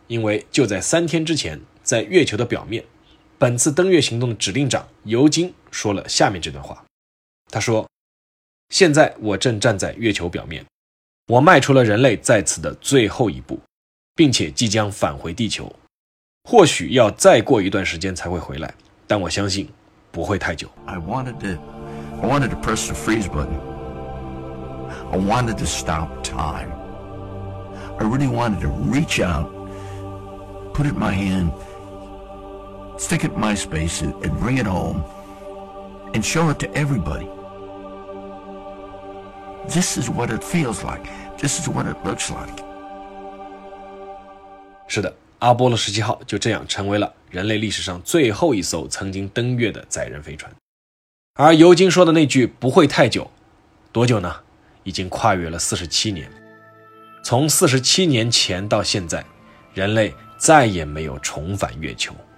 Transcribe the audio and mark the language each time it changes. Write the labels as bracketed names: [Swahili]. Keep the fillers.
[Chinese] 因为就在三天之前，在月球的表面，本次登月行动的指令长尤金说了下面这段话。他说：“现在我正站在月球表面，我迈出了人类在此的最后一步，并且即将返回地球，或许要再过一段时间才会回来。 ”但我相信不会太久。 [English] I wanted to, I wanted to press the freeze button. I wanted to stop time. I really wanted to reach out, put it in my hand, stick it in my space, and bring it home, and show it to everybody. This is what it feels like. This is what it looks like. [Chinese] 是的。阿波罗十七号就这样成为了人类历史上最后一艘曾经登月的载人飞船，而尤金说的那句“不会太久”，多久呢？已经跨越了四十七年。从四十七年前到现在，人类再也没有重返月球。